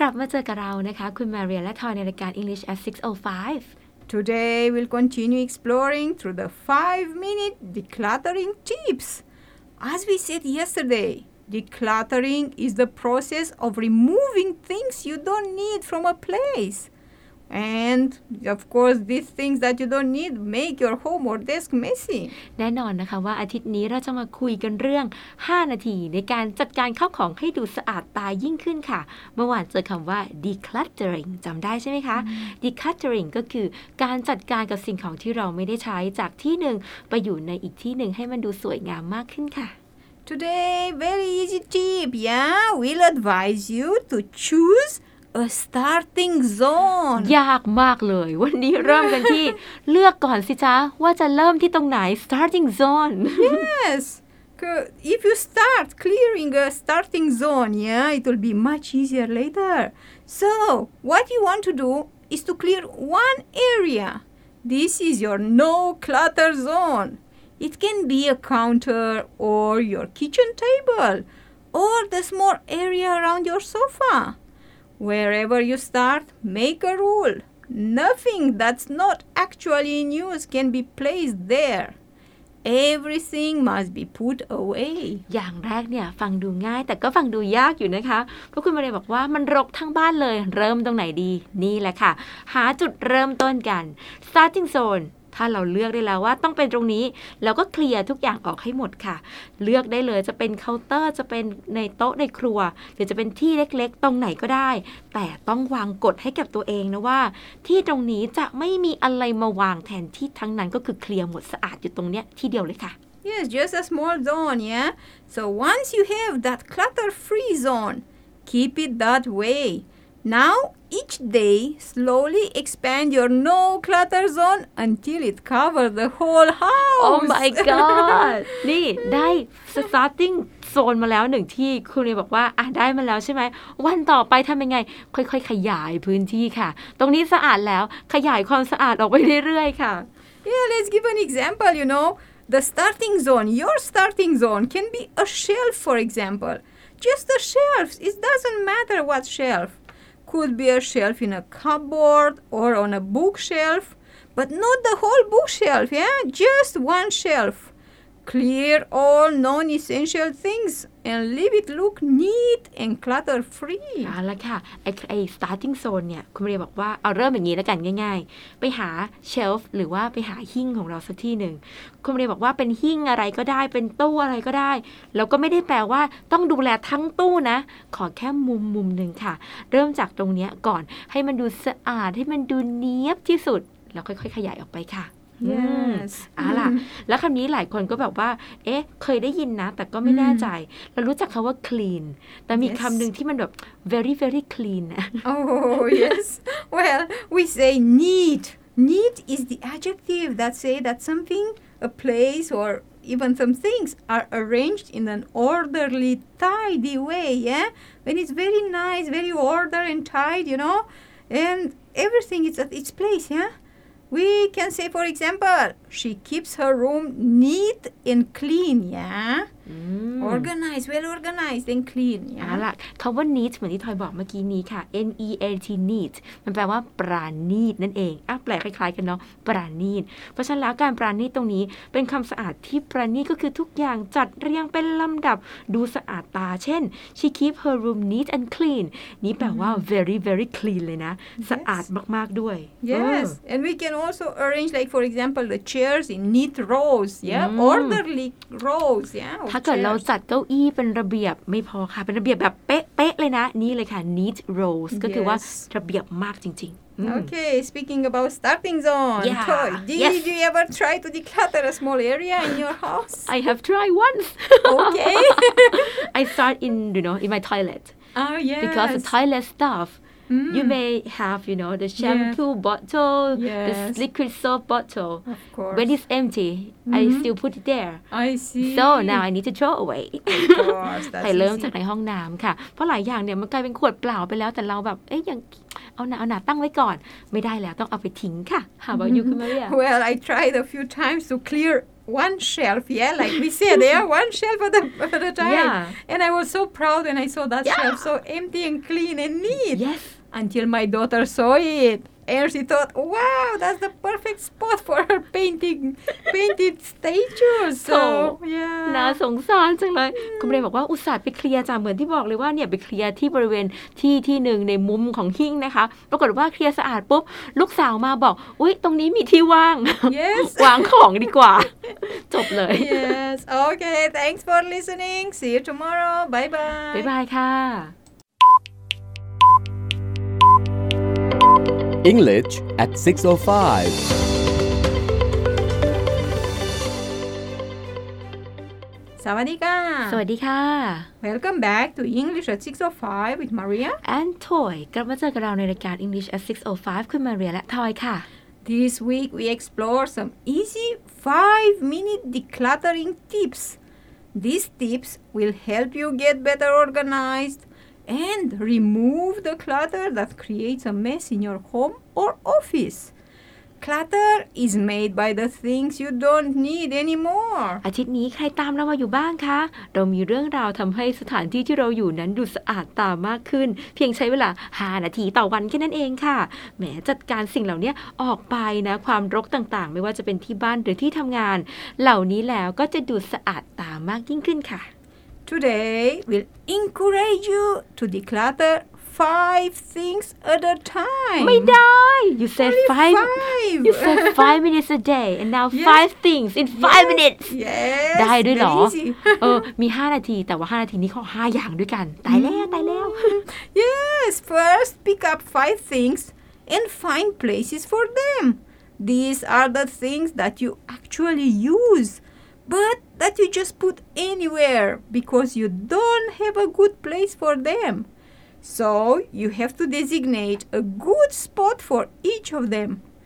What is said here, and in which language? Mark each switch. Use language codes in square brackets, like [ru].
[th] กลับมาเจอกับเรานะคะคุณ Maria และ Toy ในรายการ English at 6:05. [en] Today we'll continue exploring through the 5-minute decluttering tips. As we said yesterday. Decluttering is the process of removing things you don't need from a place. And, of course, these things that you don't need make your home or desk messy. [th] แน่นอนนะคะว่าอาทิตย์นี้เราจะมาคุยกันเรื่อง5นาทีในการจัดการข้าวของให้ดูสะอาดตายิ่งขึ้นค่ะเมื่อวานเจอคำว่า decluttering จำได้ใช่ไหมคะ decluttering ก็คือการจัดการกับสิ่งของที่เราไม่ได้ใช้จากที่หนึ่งไปอยู่ในอีกที่หนึ่งให้มันดูสวยงามมากขึ้นค่ะ [en] Today, very easy tip, yeah? We'll advise you to choose a starting zone. [th] ยากมากเลยวันนี้เริ่มกันที่เลือกก่อนสิจ๊ะว่าจะเริ่มที่ตรงไหน starting zone. [en] Yes. If you start clearing a starting zone, yeah, it will be much easier later. So, what you want to do is to clear one area. This is your no clutter zone. It can be a counter or your kitchen table or the small area around your sofa. Wherever you start, make a rule. Nothing that's not actually in use can be placed there. Everything must be put away. [th] อย่างแรกเนี่ยฟังดูง่ายแต่ก็ฟังดูยากอยู่นะคะเพราะคุณมาเรียบอกว่ามันรกทั้งบ้านเลยเริ่มตรงไหนดีนี่แหละค่ะหาจุดเริ่มต้นกัน starting zoneถ้าเราเลือกได้แล้วว่าต้องเป็นตรงนี้เราก็เคลียร์ทุกอย่างออกให้หมดค่ะเลือกได้เลยจะเป็นเคาน์เตอร์จะเป็นในโต๊ะในครัวหรือจะเป็นที่เล็กๆตรงไหนก็ได้แต่ต้องวางกฎให้กับตัวเองนะว่าที่ตรงนี้จะไม่มีอะไรมาวางแทนที่ทั้งนั้นก็คือเคลียร์หมดสะอาดอยู่ตรงเนี้ยที่เดียวเลยค่ะ [en] Yes just a small zone yeah so once you have that clutter free zone keep it that way nowEach day, slowly expand your no clutter zone until it covers the whole house. Oh my god! [th] นี่ได้ starting zone มาแล้วหนึ่งที่คุณเลยบอกว่าอ่ะได้มาแล้วใช่ไหมวันต่อไปทำยังไงค่อยๆขยายพื้นที่ค่ะตรงนี้สะอาดแล้วขยายความสะอาดออกไปเรื่อยๆค่ะ [en] Yeah, let's give an example. You know, the starting zone, your starting zone can be a shelf, for example. Just a shelf. It doesn't matter what shelf. Could be a shelf in a cupboard or on a bookshelf, but not the whole bookshelf, yeah? Just one shelf. Clear all non-essential things and leave it look neat and clutter-free. [th] เอาละค่ะไอ้ starting zone เนี่ยคุณเรียบอกว่าเอาเริ่มอย่างนี้แล้วกันง่ายๆไปหา shelf หรือว่าไปหาหิ้งของเราสักที่หนึ่งคุณเรียบอกว่าเป็นหิ้งอะไรก็ได้เป็นตู้อะไรก็ได้แล้วก็ไม่ได้แปลว่าต้องดูแลทั้งตู้นะขอแค่มุมหนึ่งค่ะเริ่มจากตรงนี้ก่อนให้มันดูสะอาดให้มันดูเนียบที่สุดแล้วค่อยๆขยายออกไปค่ะ [en] Yes. [th] อ่าล่ะแล้วคำนี้หลายคนก็แบบว่าเอ๊ะเคยได้ยินนะแต่ก็ไม่แน่ใจเรารู้จักคำว่า clean แต่มีคำหนึ่งที่มันแบบ [en] very very clean Oh yes. Well, we say neat. Neat is the adjective that say that something, a place or even some things are arranged in an orderly, tidy way. Yeah. When it's very nice, very ordered and tidy, you know, and everything is at its place. Yeah. We can say, for example, she keeps her room neat and clean, yeah? organize well organized and clean [th] อ่ะล่ะคําว่า neat เหมือนที่ทอยบอกเมื่อกี้นี้ค่ะ neat neat มันแปลว่าปราณีตนั่นเองอ่ะแปลคล้ายๆกันเนาะปราณีตเพราะฉะนั้นแล้วการปราณีตตรงนี้เป็นคําสะอาดที่ปราณีตก็คือทุกอย่างจัดเรียงเป็นลําดับดูสะอาดตาเช่น [en] she keep her room neat and clean [th] นี่แปลว่า [en] very very clean [th] เลยนะสะอาดมากๆด้วย [en] yes and we can also arrange like for example the chairs in neat rows yeah orderly rows yeah [th] ถ้าเกิดเราจัดเก้าอี้เป็นระเบียบไม่พอค่ะเป็นระเบียบแบบเป๊ะๆ เลยนะนี่เลยค่ะ neat rows ก็คือว่าระเบียบมากจริง [en] ๆ okay speaking about starting zone yeah. Toy, did you ever try to declutter a small area in your house I have tried once okay I start in you know in my toilet oh yes because the toilet stuffYou may have, you know, the shampoo bottle, the liquid soap bottle. Of course. When it's empty, I still put it there. I see. So now I need to throw away. Of course. That's I learned [th] จากในห้องน้ำค่ะเพราะหลายอย่างเนี่ยมันกลายเป็นขวดเปล่าไปแล้วแต่เราแบบเอ๊ะยังเอาหนาตั้งไว้ก่อนไม่ได้แล้วต้องเอาไปทิ้งค่ะ [en] How about you, Camilla? Well, I tried a few times to clear. One shelf, yeah, like we say, there one shelf at a time. Yeah. And I was so proud when I saw that shelf so empty and clean and neat. Yes. Until my daughter saw it. And she thought, wow, that's the perfect spot for her painted statues. So, yeah. [th] น่าสงสารจังเลยคุณเรนบอกว่าอุตส่าห์ไปเคลียร์จ้ะเหมือนที่บอกเลยว่าเนี่ยไปเคลียร์ที่บริเวณที่นึงในมุมของหิ้งนะคะปรากฏว่าเคลียร์สะอาดปุ๊บลูกสาวมาบอกอุ๊ยตรงนี้มีที่ว่าง [en] Yes. [th] วางของดีกว่าจบเลย [en] Yes. Okay. Thanks for listening. See you tomorrow. Bye-bye. Bye-bye ค่ะEnglish at 6:05. [th] สวัสดีค่ะ สวัสดีค่ะ [en] Welcome back to English at 6:05 with Maria and Toy. [th] กลับมาเจอกับเราในรายการ English at 6:05 คุณ Maria และ Toy ค่ะ [en] This week we explore some easy 5-minute decluttering tips. These tips will help you get better organized. And remove the clutter that creates a mess in your home or office. Clutter is made by the things you don't need anymore. [th] อาทิตย์นี้ใครตามเรามาอยู่บ้างคะเรามีเรื่องราวทำให้สถานที่ที่เราอยู่นั้นดูสะอาดตามากขึ้นเพียงใช้เวลา5นาทีต่อวันแค่นั้นเองค่ะแม้จัดการสิ่งเหล่านี้ออกไปนะความรกต่างๆไม่ว่าจะเป็นที่บ้านหรือที่ทำงานเหล่านี้แล้วก็จะดูสะอาดตามากยิ่งขึ้นค่ะ [en] Today, we'll encourage you to declutter 5 things at a time. [th] ไม่ได้ [en] You said 5 minutes a day, and now 5 things in 5 minutes. Yes, [th] ได้ด้วยเหรอ มี5นาทีแต่ว่า5นาทีนี้เขา5อย่างด้วยกันตายแล้ว [en] Yes, first pick up 5 things and find places for them. These are the things that you actually use. But that you just put anywhere because you don't have a good place for them. So you have to designate a good spot for each of them.